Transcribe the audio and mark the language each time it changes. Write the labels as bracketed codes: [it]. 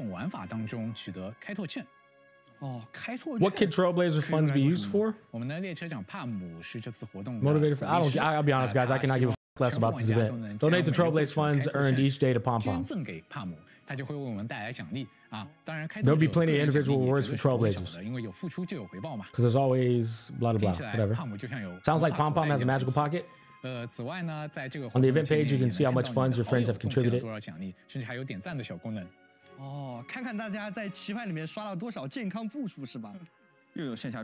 [zh] 开拓者收到了一份拥有神奇力量棋盘，我们将过往开拓之旅中许多经历、故事都浓缩在了这个小小的棋盘之中。开拓者会从空间站出发，通过投掷骰子的方式在棋盘地图中前进。每天都会刷新骰子的机会，在不同的格子前进的时候，也会触发各种不同的效果，并能从中多种玩法当中取得开拓券。 [en] Oh, what can Trailblazers funds be used for? Motivated for, I'll be honest, guys, I cannot give a f- less about this event. Donate to Trailblazers funds earned each day to Pom Pom. There'll be plenty of individual awards for Trailblazers. Because there's always blah, blah, blah, whatever. Sounds like Pom Pom has a magical pocket. On the event page, you can see how much funds your friends have contributed. [zh] 哦，看看大家在棋盘里面刷了多少健康步数，是吧？又有线下